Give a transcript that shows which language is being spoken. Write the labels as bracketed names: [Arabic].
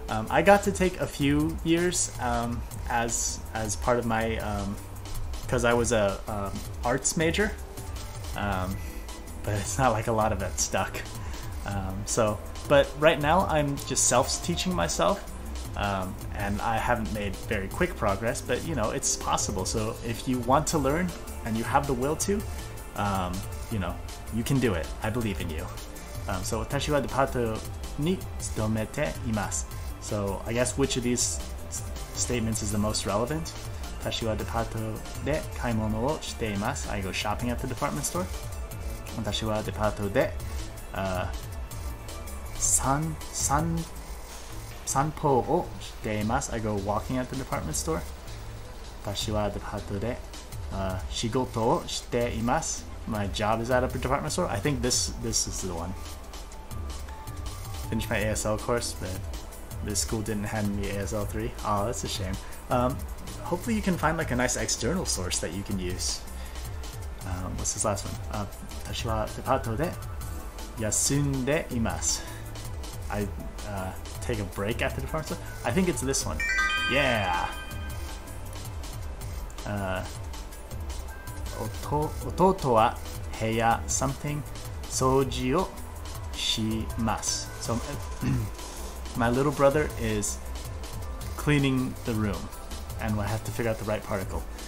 [English] I got to take a few years as part of my, because I was a arts major, but it's not like a lot of it stuck. But right now I'm just self-teaching myself, and I haven't made very quick progress, but you know, it's possible. So if you want to learn and you have the will to, you know, you can do it. I believe in you. [Japanese] So 私はデパートに勤めています。 [English] So I guess which of these statements is the most relevant? [Japanese] 私はデパートで買い物をしています。 [English] I go shopping at the department store. [Japanese] 私はデパートで散歩をしています。 [English] I go walking at the department store. [Japanese] 私はデパートで仕事をしています。 [English] My job is at a department store. I think this is the one. Finished my ASL course, but this school didn't hand me ASL 3. Oh, that's a shame. Hopefully you can find like a nice external source that you can use. What's this last one? [Japanese] 私はデパートで休んでいます。 [English] I take a break at the department store. I think it's this one. Yeah! [Japanese] Ototo wa heya [English] something [Japanese] soji wo shimasu. [English] So my little brother is cleaning the room, and we have to figure out the right particle.